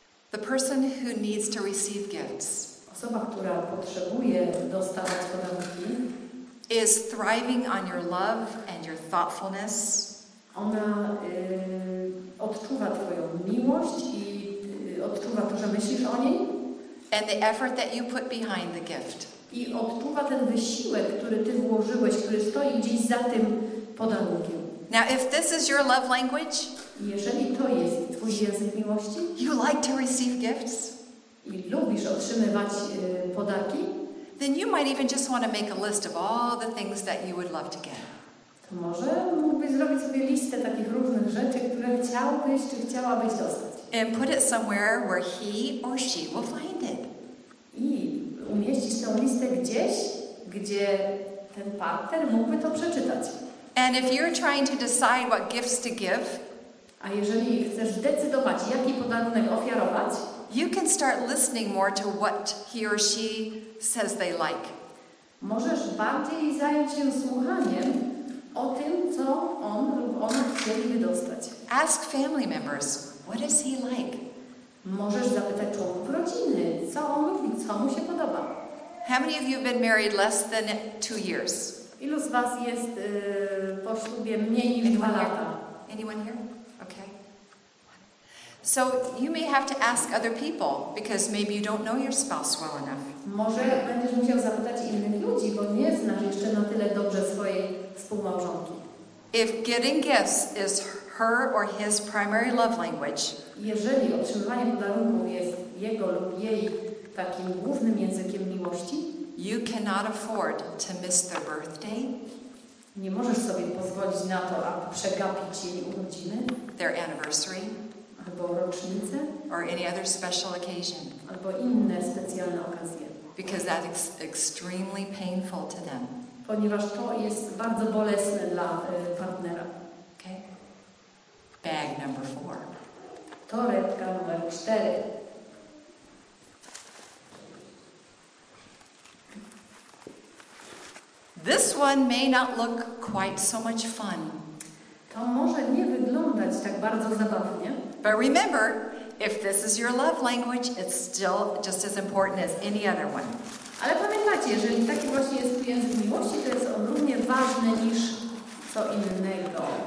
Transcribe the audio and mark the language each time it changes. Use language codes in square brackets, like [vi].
[en] The person who needs to receive gifts, [pl] osoba, która potrzebuje dostawać podarunki, [en] is thriving on your love and your thoughtfulness. [pl] Ona odczuwa twoją miłość i odczuwa to, że myślisz o niej. [en] And the effort that you put behind the gift. [pl] I odczuwa ten wysiłek, który ty włożyłeś, który stoi gdzieś za tym podarunkiem. [en] Now, if this is your love language, [pl] jeżeli to jest twój język miłości, [en] you like to receive gifts, [pl] i lubisz otrzymywać podarki, [en] then you might even just want to make a list of all the things that you would love to get. [pl] To Może mógłbyś zrobić sobie listę takich różnych rzeczy, które chciałbyś czy chciałabyś dostać. [en] And put it somewhere where he or she will find it. [pl] I umieścić tą listę gdzieś, gdzie ten partner mógłby to przeczytać. [en] And if you're trying to decide what gifts to give, [pl] a jeżeli chcesz zdecydować, jaki podarunek ofiarować, [en] you can start listening more to what he or she says they like. [pl] Możesz bardziej zająć się słuchaniem o tym, co on lub ona chcieliby dostać. [en] Ask family members, what is he like? [pl] Możesz zapytać członków rodziny, co on lubi, co mu się podoba. [en] How many of you have been married less than 2 years? [pl] Ilu z was jest po ślubie mniej niż 2 lata? [en] Anyone here? Okay. So you may have to ask other people because maybe you don't know your spouse well enough. [pl] Może będziesz musiał zapytać innych ludzi, bo nie znasz jeszcze na tyle dobrze swojej współmałżonki. [en] If getting gifts is her or his primary love language, [pl] jeżeli otrzymywanie podarunków jest jego lub jej takim głównym językiem miłości, [en] you cannot afford to miss their birthday. [pl] Nie możesz sobie pozwolić na to, aby przegapić jej urodziny, [en] their anniversary, [pl] albo rocznicę, [en] or any other special occasion, [pl] albo inne specjalne okazje. [en] Because that's extremely painful to them. [pl] Ponieważ to jest bardzo bolesne dla partnera. [en] Okay. Bag number 4. [pl] Torebka numer 4. [en] This one may not look quite so much fun. [pl] To może nie wyglądać tak bardzo zabawnie. [en] But remember, if this is your love language, it's still just as important as any other one. [pl] Ale pamiętajcie, jeżeli taki właśnie jest język miłości, to jest on równie ważny niż co innego.